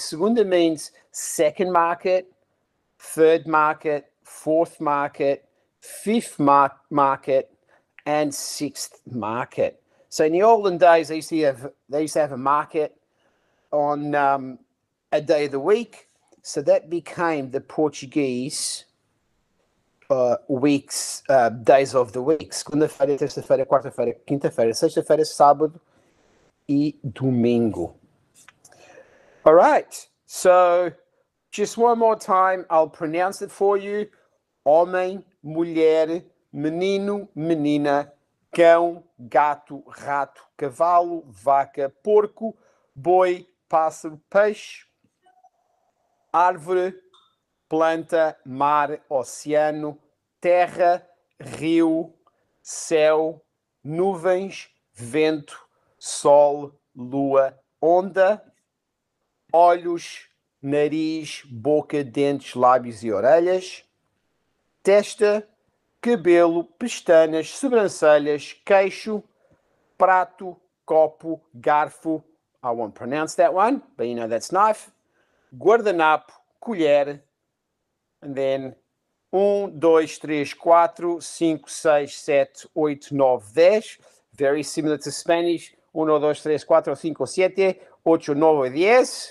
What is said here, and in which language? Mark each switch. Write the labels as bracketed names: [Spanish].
[English] Segunda means second market, third market, fourth market, fifth market, and sixth market. So in the olden days, they used to have a market on a day of the week. So that became the Portuguese days of the week. [Portuguese] Segunda-feira, terça-feira, quarta-feira, quinta-feira, sexta-feira, sábado e domingo. [English] All right. So just one more time, I'll pronounce it for you. [Portuguese] Homem, mulher, menino, menina. Cão, gato, rato, cavalo, vaca, porco, boi, pássaro, peixe, árvore, planta, mar, oceano, terra, rio, céu, nuvens, vento, sol, lua, onda, olhos, nariz, boca, dentes, lábios e orelhas, testa, cabelo, pestanas, sobrancelhas, queixo, prato, copo, garfo. [English] I won't pronounce that one, but you know that's knife. [Portuguese] Guardanapo, colher. [English] And then 1, 2, 3, 4, 5, 6, 7, 8, 9, 10. Very similar to Spanish. 1, 2, 3, 4, 5, 7, 8, 9, 10.